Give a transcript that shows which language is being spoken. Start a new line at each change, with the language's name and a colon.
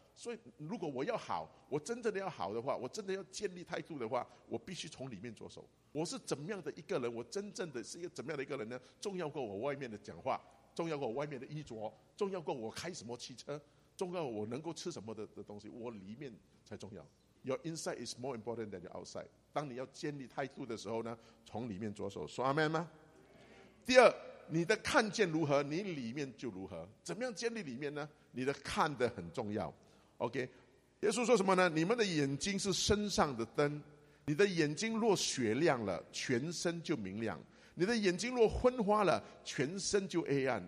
Chinese: 所以如果我要好，我真正的要好的话，我真的要建立态度的话，我必须从里面着手。我是怎么样的一个人，我真正的是一个怎么样的一个人呢，重要过我外面的讲话，重要过我外面的衣着，重要过我开什么汽车，重要过我能够吃什么 的东西，我里面才重要。
English: Your inside is more important than your outside。
Chinese: 当你要建立态度的时候呢，从里面着手，说 Amen 吗？第二，你的看见如何，你里面就如何。怎么样建立里面呢？你的看得很重要。OK， 耶稣说什么呢？你们的眼睛是身上的灯，你的眼睛若雪亮了，全身就明亮；你的眼睛若昏花了，全身就黑暗。